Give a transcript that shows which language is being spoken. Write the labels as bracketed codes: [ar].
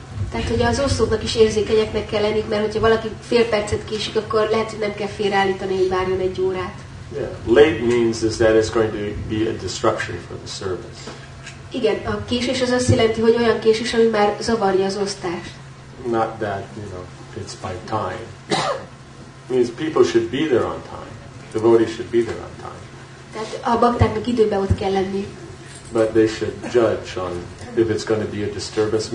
[hu] Tehát hogy az osztóknak is érzékenyeknek kell lenni, mert hogyha valaki fél percet késik, akkor lehet, hogy nem kell félreállítani, hogy várjon egy órát. [en] Yeah. Late means is that it's going to be a disruption for the service. [hu] Igen, a késés az azt jelenti, hogy olyan késés, ami már zavarja az osztást. [en] Not that, you know, it's by time. It means people should be there on time. Devotees should be there on time. [hu] Tehát a baktáknak időben ott kell lenni. [en] But they should judge on if it's going to be a disturbance.